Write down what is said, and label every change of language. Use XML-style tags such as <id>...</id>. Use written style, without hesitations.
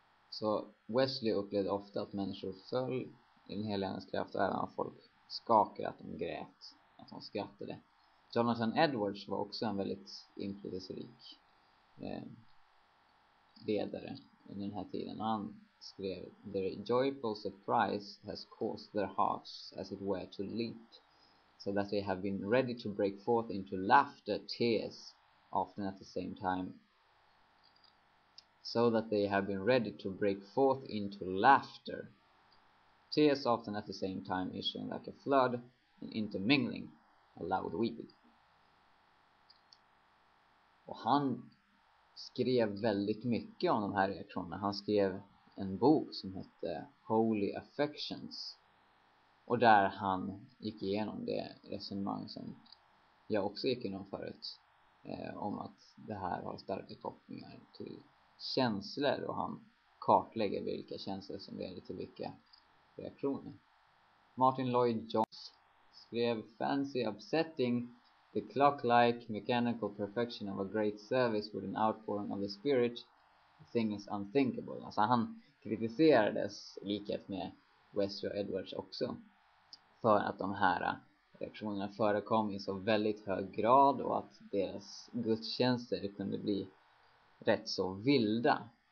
<sv>Så Wesley upplevde ofta att människor föll i den heliga andens kraft, och även att folk skakade, att de grät, att de skrattade. Jonathan Edwards var också en väldigt inflytelserik ledare under den här tiden. Han skrev:</sv> <en>"The joyful surprise has caused their hearts as it were to leap, so that they have been ready to break forth into laughter, tears, often at the same time. So that they have been ready to break forth into laughter, tears often at the same time issuing like a flood and intermingling a loud weeping."</en> <sv>Och han skrev väldigt mycket om de här reaktionerna. Han skrev en bok som hette Holy Affections, och där han gick igenom det resonemang som jag också gick igenom förut, om att det här har starka kopplingar till känslor, och han kartlägger vilka känslor som leder till vilka reaktioner.</sv> <en>Martin Lloyd-Jones</en> <sv>skrev:</sv> <en>"Fancy upsetting the clock-like mechanical perfection of a great service with an outpouring of the spirit, the thing is unthinkable."</en> <sv>Alltså han kritiserades, likhet med Wesley och Edwards också, för att de här reaktionerna förekom i så väldigt hög grad och att deras gudstjänster kunde bli rätt så vilda.</sv>